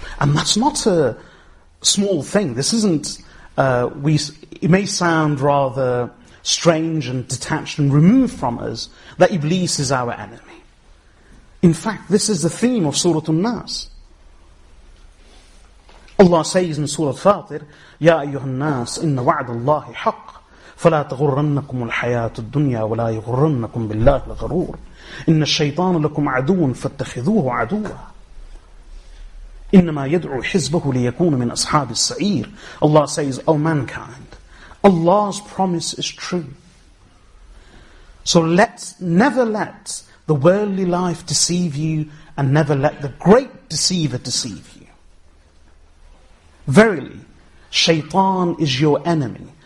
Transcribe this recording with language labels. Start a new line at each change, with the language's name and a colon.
English: And that's not a small thing. This isn't, it may sound rather strange and detached and removed from us that Iblis is our enemy. In fact, this is the theme of Surah An-Nas. Allah says in Surah Fatir,
Arabic: يَا أَيُّهَا النَّاسِ إِنَّ وَعْدَ اللَّهِ حَقٌّ فَلَا تَغُرَّنَّكُمُ الْحَيَاةُ الدُّنْيَا وَلَا يَغُرَّنَّكُمْ بِاللَّهِ الْغَرُورِ إِنَّ الشَّيْطَانَ لَكُمْ عَدُوٌ فَاتَّخِذُوهُ عَدُوًا إِنَّمَا يَدْعُو حِزْبَهُ لِيَكُونَ مِنْ أَصْحَابِ السَّعِيرِ.
English: Allah says, O mankind, Allah's promise is true. So never let the worldly life deceive you, and never let the great deceiver deceive you. Verily, Shaytan is your enemy.